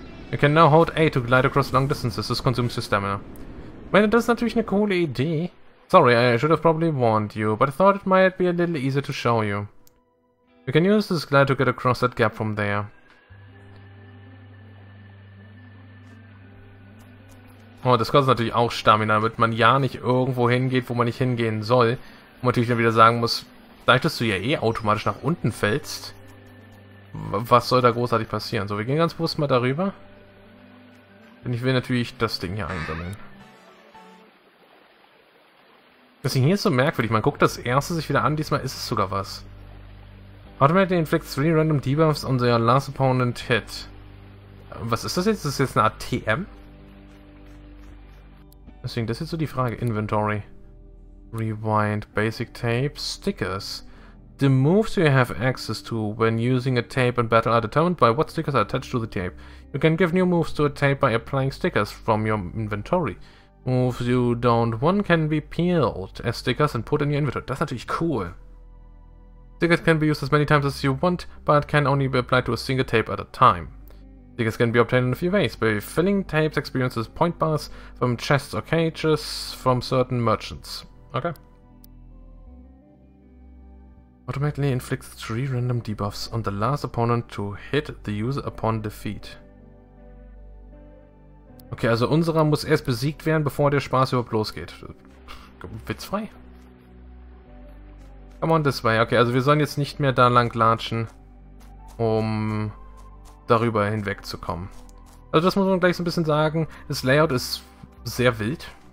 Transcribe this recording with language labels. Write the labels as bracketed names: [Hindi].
[English] You can now hold A to glide across long distances. This consumes your stamina. Well, that's [German] natürlich eine coole Idee. [English] Sorry, I should have probably warned you, but I thought it might be a little easier to show you. You can use this glide to get across that gap from there. [German] Oh, das kostet natürlich auch Stamina, damit man ja nicht irgendwo hingeht, wo man nicht hingehen soll. Und natürlich dann wieder sagen muss, dadurch, dass du ja eh automatisch nach unten fällst, was soll da großartig passieren? So, wir gehen ganz bewusst mal darüber. Denn ich will natürlich das Ding hier einsammeln. Das Ding hier ist so merkwürdig. Man guckt das erste sich wieder an, diesmal ist es sogar was. [English] Automatically inflict 3 random debuffs on their last opponent hit. [German] Was ist das jetzt? Ist das jetzt eine Art TM? Deswegen, das ist jetzt so die Frage. Inventory. Rewind. Basic Tape. Stickers. [English] The moves you have access to when using a tape in battle are determined by what stickers are attached to the tape. You can give new moves to a tape by applying stickers from your inventory. Moves you don't want can be peeled as stickers and put in your inventory. [German] Das ist natürlich cool. [English] Stickers can be used as many times as you want, but can only be applied to a single tape at a time. Stickers can be obtained in a few ways, by filling tapes, experiences, point bars, from chests or cages, from certain merchants. Okay. Automatically inflicts 3 random debuffs on the last opponent to hit the user upon defeat. [German] Okay, also unserer muss erst besiegt werden, bevor der Spaß überhaupt losgeht. Witzfrei. [English] Come on this way. [German] Okay, also wir sollen jetzt nicht mehr da lang latschen, um darüber hinwegzukommen. Also das muss man gleich so ein bisschen sagen. Das Layout ist sehr wild.